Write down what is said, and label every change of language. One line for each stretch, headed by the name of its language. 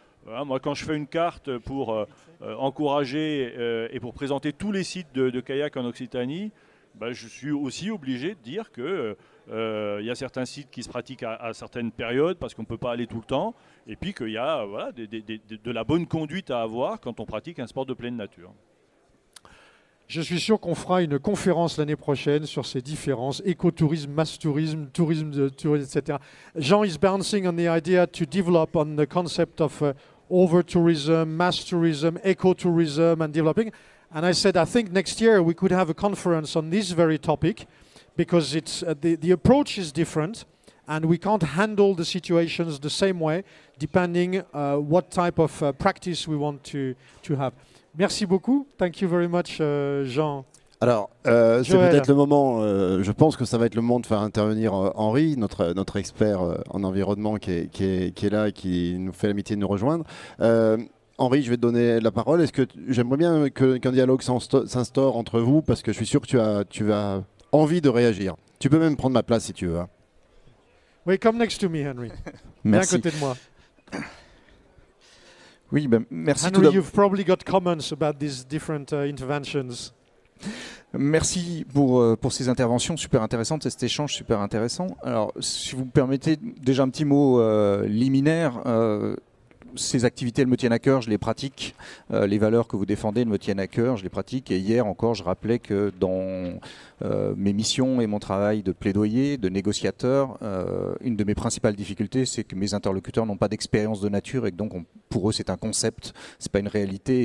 French: Moi quand je fais une carte pour encourager et pour présenter tous les sites de kayak en Occitanie, je suis aussi obligé de dire que il y a certains sites qui se pratiquent à certaines périodes parce qu'on ne peut pas aller tout le temps et puis qu'il y a de la bonne conduite à avoir quand on pratique un sport de pleine nature. Je suis sûr qu'on fera une conférence l'année prochaine sur ces différences, écotourisme, masse-tourisme, tourisme de tourisme, etc.
English: Jean is bouncing on the idea to develop on the concept of over-tourism, mass-tourism, écotourism and developing. And I said, I think next year we could have a conference on this very topic. Because it's the approach is different, and we can't handle the situations the same way, depending what type of practice we want to have.
French: Merci beaucoup.
English: Thank you very much, Jean.
French: Alors, c'est peut-être le moment. Je pense que ça va être le moment de faire intervenir Henri, notre expert en environnement qui est là, qui nous fait l'amitié de nous rejoindre. Henri, je vais te donner la parole. J'aimerais bien qu'un dialogue s'instaure entre vous, parce que je suis sûr que tu vas envie de réagir. Tu peux même prendre ma place si tu veux.
English: Oui, come next to me, Henry.
French: Merci. Viens à côté de moi. Oui, ben merci.
English: Henry, you've probably got comments about these different interventions.
French: Merci pour ces interventions super intéressantes et cet échange super intéressant. Alors, si vous me permettez déjà un petit mot liminaire. Ces activités, elles me tiennent à cœur, je les pratique. Les valeurs que vous défendez, elles me tiennent à cœur, je les pratique. Et hier encore, je rappelais que dans mes missions et mon travail de plaidoyer, de négociateur, une de mes principales difficultés, c'est que mes interlocuteurs n'ont pas d'expérience de nature et que donc, pour eux, c'est un concept, c'est pas une réalité.